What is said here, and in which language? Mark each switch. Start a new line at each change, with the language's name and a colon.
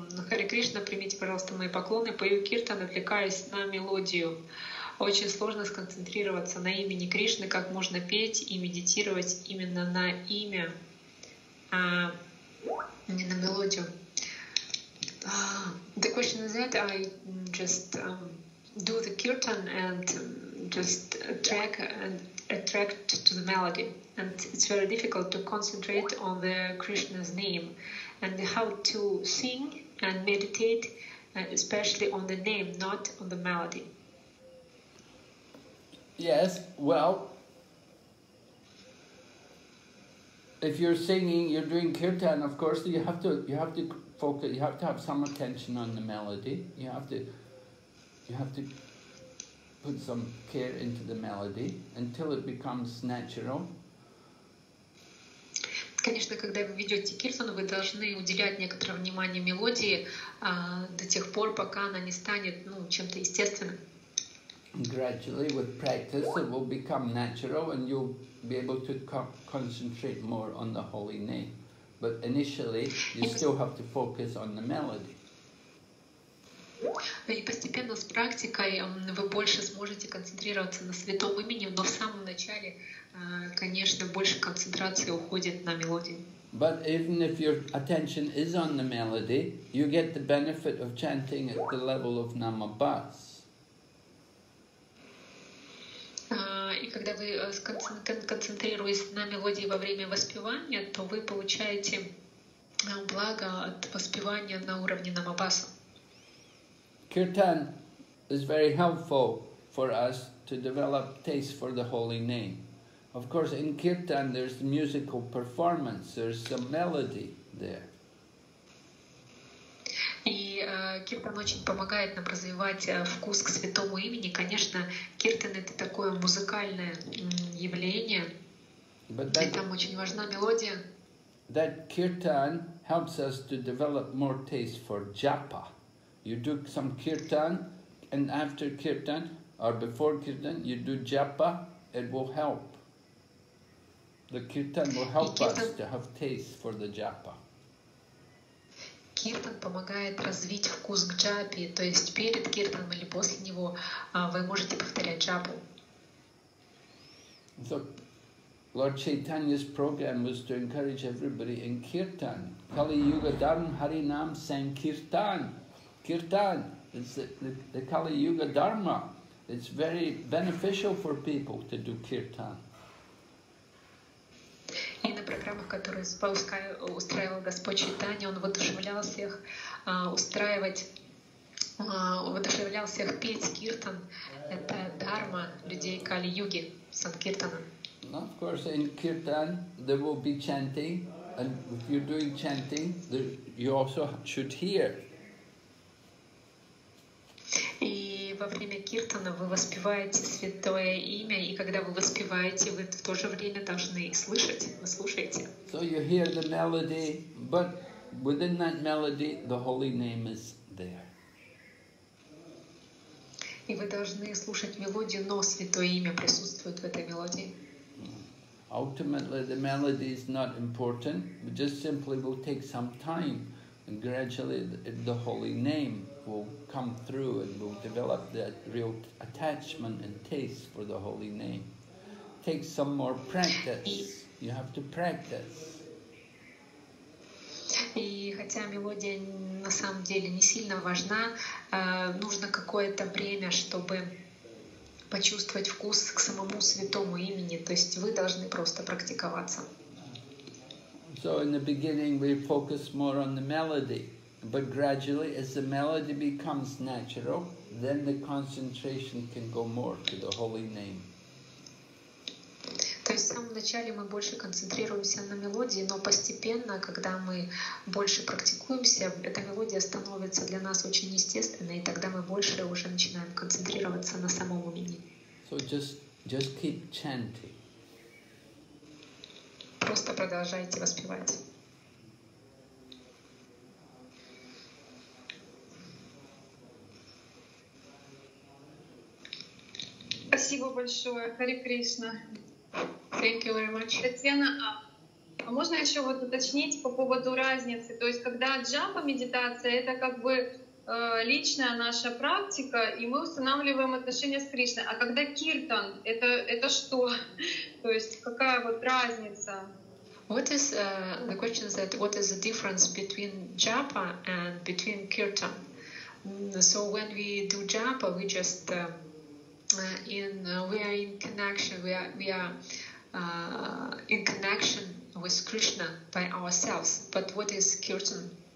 Russian: Харе Кришна, примите, пожалуйста, мои поклоны. Пою киртан, отвлекаясь на мелодию. Очень сложно сконцентрироваться на имени Кришны, как можно петь и медитировать именно на имя. Не на мелодию.
English: The question is that I just do the kirtan and just attract to the melody, and it's very difficult to concentrate on the Krishna's name, and how to sing and meditate especially on the name, not on the melody. Yes, well, if you're singing, you're doing kirtan, of course, you have to focus, you have to have some attention on the melody. You have to put some care into the melody until it becomes natural.
Russian: Конечно, когда вы ведете киртан, вы должны уделять некоторое внимание мелодии до тех пор, пока она не станет, ну, чем-то естественным.
English: Gradually, with practice, it will become natural, and you'll be able to concentrate more on the holy name. But initially, you still have to focus on the melody.
Russian: И постепенно с практикой вы больше сможете концентрироваться на святом имени, но в самом начале, конечно, больше концентрации уходит на мелодии.
English: But even if your attention is on the melody, you get the benefit of chanting at the level of Namabhas.
Russian: И когда вы концентрируетесь на мелодии во время воспевания, то вы получаете благо от воспевания на уровне намабаса.
English: Kirtan is very helpful for us to develop taste for the holy name. Of course, in kirtan there's musical performance, there's some melody there.
Russian: И киртан очень помогает нам развивать вкус к святому имени. Конечно, киртан — это такое музыкальное явление,
English: that,
Russian: и там очень важна мелодия.
English: That kirtan helps us to develop more taste for japa. You do some kirtan, and after kirtan, or before kirtan, you do japa, it will help. The kirtan will help us to have taste for the japa.
Russian: Киртан помогает развить вкус к джапе, то есть перед киртаном или после него вы можете повторять джапу.
English: So, Lord Chaitanya's program was to encourage everybody in kirtan. Kali Yuga Dharma Harinam Sankirtan. Kirtan, it's the Kali Yuga Dharma. It's very beneficial for people to do kirtan.
Russian: И на программах, которые устраивал Господь Чайтанья, он воодушевлял всех петь киртан. Это дхарма людей Кали-юги, санкиртана.
English: Of course, in kirtan there will be chanting, and if you're doing chanting, you also should hear.
Russian: И во время киртана вы воспеваете святое имя, и когда вы воспеваете, вы в то же время должны слышать, вы слушаете.
English: So you hear the melody, but within that melody, the holy name is there.
Russian: И вы должны слушать мелодию, но святое имя присутствует в этой мелодии.
English: Ultimately, the melody is not important, it just simply will take some time, and gradually the holy name will come through and will develop that real attachment and taste for the holy name. Take some more practice. You have to practice.
Russian: И хотя мелодия на самом деле не сильно важна, нужно какое-то время, чтобы почувствовать вкус к самому святому имени. То есть вы должны просто практиковаться.
English: So in the beginning we focus more on the melody. But gradually, as the melody becomes natural, then the concentration can go more to the holy name.
Russian: То есть в самом начале мы больше концентрируемся на мелодии, но постепенно, когда мы больше практикуемся, эта мелодия становится для нас очень естественной, и тогда мы больше уже начинаем концентрироваться на самом имени.
English: So just keep chanting.
Russian: Просто продолжайте воспевать. Спасибо большое, Харе Кришна.
English: Thank you very much.
Russian: Татьяна, а можно еще вот уточнить по поводу разницы? То есть когда джапа медитация, это как бы личная наша практика, и мы устанавливаем отношения с Кришной. А когда киртан, это что? То есть какая вот разница?
English: What is the question is that what is the difference between japa and between kirtan? So when we do japa, we just we are in connection. We are in connection with Krishna by ourselves. But what is kirtan?